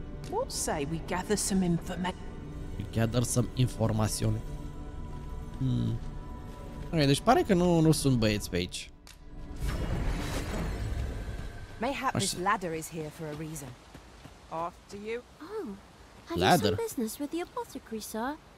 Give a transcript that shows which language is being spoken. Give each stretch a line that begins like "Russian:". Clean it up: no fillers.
English: What say we gather some information? We gather some informațiune.
Romanian: Ok, deci pare că nu sunt băieți pe aici.
English: Mayhap this ladder is here for a reason. Off to you. Oh, have ladder. You some business with the apothecary, sir?